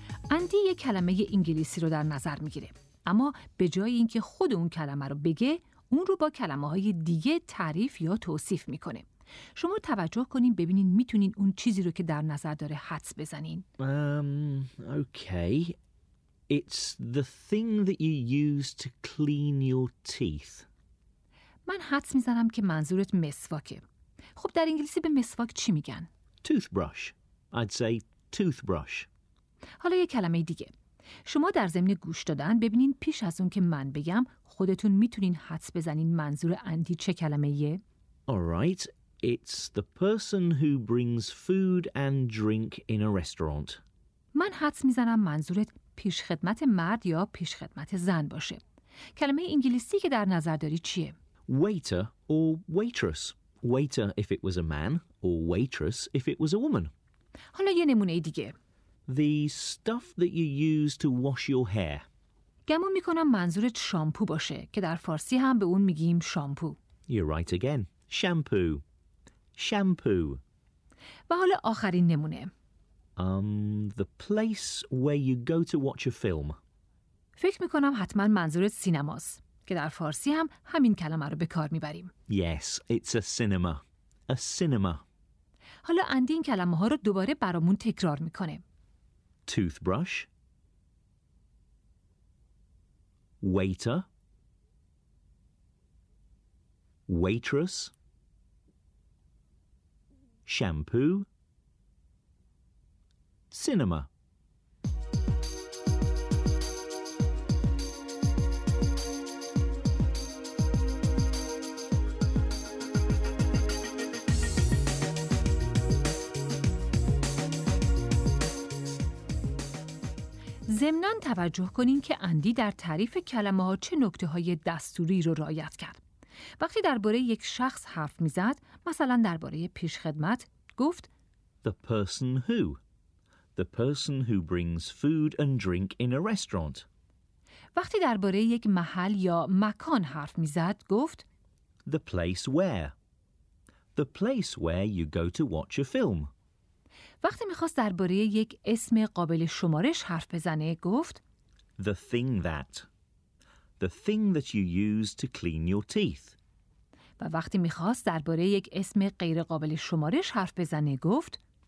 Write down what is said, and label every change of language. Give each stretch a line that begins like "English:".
Persian: اندی یک کلمه انگلیسی رو در نظر میگیره، اما به جای اینکه خود اون کلمه رو بگه، اون رو با کلمه‌های دیگه تعریف یا توصیف میکنه. شما توجه کنین ببینین میتونین اون چیزی رو که در نظر داره حدس بزنین.
English: Okay. It's the thing that you use to clean your teeth.
Persian: من حدس میزنم که منظورت مسواکه. خب در انگلیسی به مسواک چی میگن؟
English: Toothbrush. I'd say toothbrush.
Persian: حالا یه کلمه دیگه. شما در ضمن گوش دادن ببینین پیش از اون که من بگم خودتون میتونین حدس بزنین منظور اندی چه کلمه‌ایه؟
English: Alright, it's the person who brings food and drink in a restaurant.
Persian: من حدس میزنم منظورت پیشخدمت مرد یا پیشخدمت زن باشه. کلمه انگلیسی که در نظر داری چیه؟
English: Waiter or waitress. Waiter if it was a man or waitress if it was a woman.
Persian: حالا یه نمونه دیگه.
English: The stuff that you use to wash your hair.
Persian: گمون میکنم منظورت شامپو باشه که در فارسی هم به اون میگیم شامپو.
English: You're right again. Shampoo. Shampoo.
Persian: و حالا آخرین نمونه.
English: The place where you go to watch a film.
Persian: فکر میکنم حتما منظورت سینماست که در فارسی هم همین کلمه رو به کار میبریم.
English: Yes, it's a cinema. A cinema.
Persian: حالا اندی این کلمه ها رو دوباره برامون تکرار میکنه.
English: Toothbrush, waiter, waitress, shampoo, cinema.
Persian: ضمناً توجه کنین که اندی در تعریف کلمه‌ها چه نکته‌های دستوری رو رعایت کرد. وقتی درباره یک شخص حرف می‌زد، مثلا درباره پیشخدمت گفت
English: The person who. The person who brings food and drink in a restaurant.
Persian: وقتی درباره یک محل یا مکان حرف می‌زد، گفت
English: The place where. The place where you go to watch a film.
Persian: وقتی می‌خواست درباره یک اسم قابل شمارش حرف بزنه گفت
English: The thing that you use to clean your teeth.
Persian: و وقتی می‌خواست درباره یک اسم غیر قابل شمارش حرف بزنه گفت